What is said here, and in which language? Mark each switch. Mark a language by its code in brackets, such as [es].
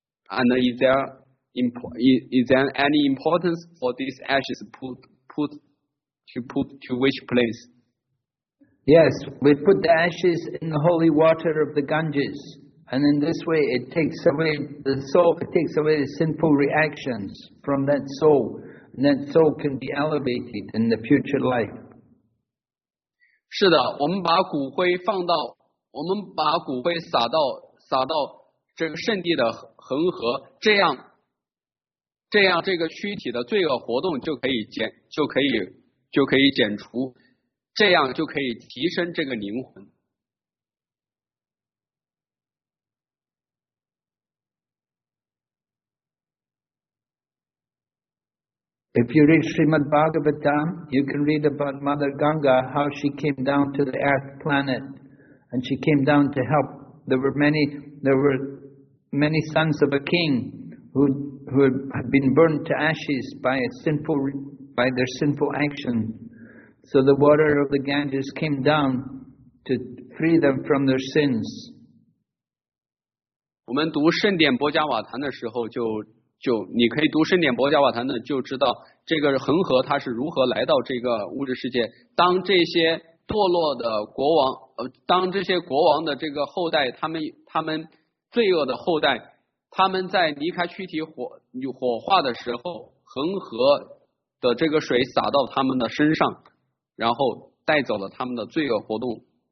[en] And is there any importance for these ashes put to which place? Yes, we put the ashes in the holy water of the Ganges, and in this way it takes away the soul, it takes away the sinful reactions from that soul, and that soul can be elevated in the future life. [zh] 是的，我们把骨灰放到，我们把骨灰撒到这个圣地的恒河，这样这个躯体的罪恶活动就可以减除，这样就可以提升这个灵魂。 [en] If you read Srimad Bhagavatam, you can read about Mother Ganga, how she came down to the earth planet, and she came down to help. There were many sons of a king who had been burned to ashes by their sinful action. So the water of the Ganges came down to free them from their sins. [zh] 我们读圣典波迦瓦坛的时候就你可以读圣典波迦瓦坛的，就知道这个恒河它是如何来到这个物质世界。当这些堕落的国王，当这些国王的这个后代，他们罪恶的后代，他们在离开躯体火化的时候，恒河的这个水洒到他们的身上，然后带走了他们的罪恶活动。